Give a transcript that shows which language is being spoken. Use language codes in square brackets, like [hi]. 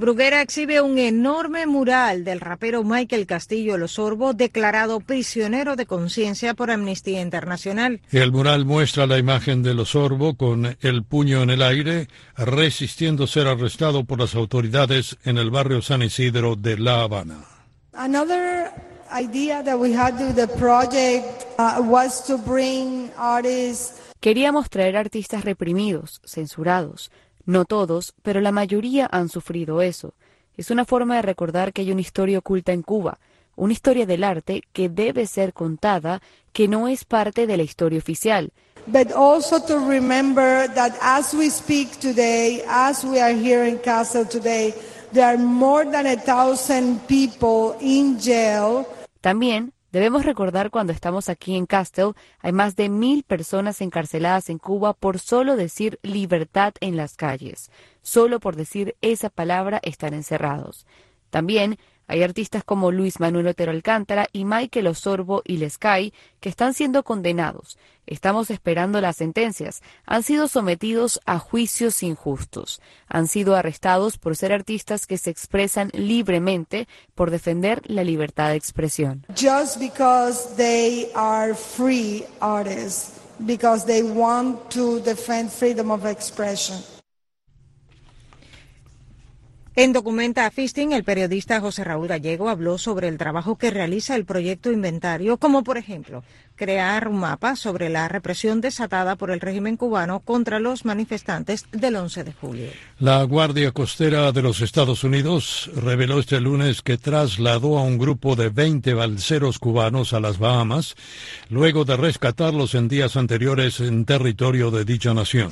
[es] Bruguera exhibe un enorme mural del rapero Michael Castillo Lo Sorbo, declarado prisionero de conciencia por Amnistía Internacional. El mural muestra la imagen de Lo Sorbo con el puño en el aire, resistiendo ser arrestado por las autoridades en el barrio San Isidro de La Habana. [en] Another idea that we had with the project was to bring artists. [es] Queríamos traer artistas reprimidos, censurados. No todos, pero la mayoría han sufrido eso. Es una forma de recordar que hay una historia oculta en Cuba. Una historia del arte que debe ser contada, que no es parte de la historia oficial. [en] But also to remember that as we speak today, as we are here in Kassel today, there are more than 1,000 people in jail. [es] También debemos recordar cuando estamos aquí en Kassel, hay más de 1,000 personas encarceladas en Cuba por solo decir libertad en las calles. Solo por decir esa palabra están encerrados. También hay artistas como Luis Manuel Otero Alcántara y Michael Lo Sorbo y Les Sky que están siendo condenados. Estamos esperando las sentencias. Han sido sometidos a juicios injustos. Han sido arrestados por ser artistas que se expresan libremente por defender la libertad de expresión. [en] Just because they are free artists, because they want to defend freedom of expression. [es] En Documenta Fisting, el periodista José Raúl Gallego habló sobre el trabajo que realiza el proyecto Inventario, como por ejemplo, crear un mapa sobre la represión desatada por el régimen cubano contra los manifestantes del 11 de julio. La Guardia Costera de los Estados Unidos reveló este lunes que trasladó a un grupo de 20 balseros cubanos a las Bahamas, luego de rescatarlos en días anteriores en territorio de dicha nación.